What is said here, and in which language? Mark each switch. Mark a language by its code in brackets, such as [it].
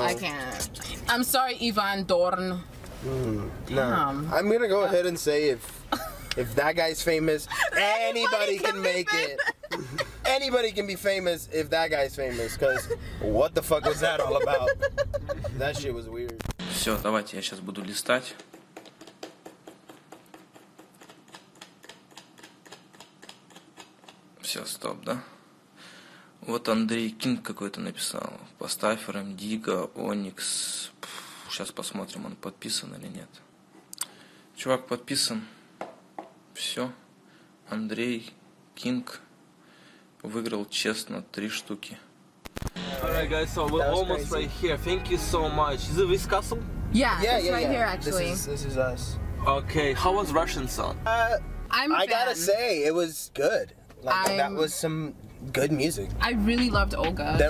[en] I can't. I'm sorry, Ivan Dorn. No. I'm going to go ahead and say if that guy's famous, anybody can make it. Anybody can be famous if that guy's famous, because what the fuck was that all about? That shit was weird. [ru] Все, давайте я сейчас буду листать. Все, стоп, да? Вот Андрей Кинг какой-то написал. Поставь Рамдига, Оникс. Сейчас посмотрим, он подписан или нет. Чувак подписан. Все. Андрей Кинг выиграл честно 3 штуки. [en] Alright, guys, so we're almost crazy. Right here. Thank you so much. Is it this castle? Yeah, it's right here actually. This is us. Okay, how was Russian song? I gotta say, it was good. Like, that was some good music. I really loved Olga. There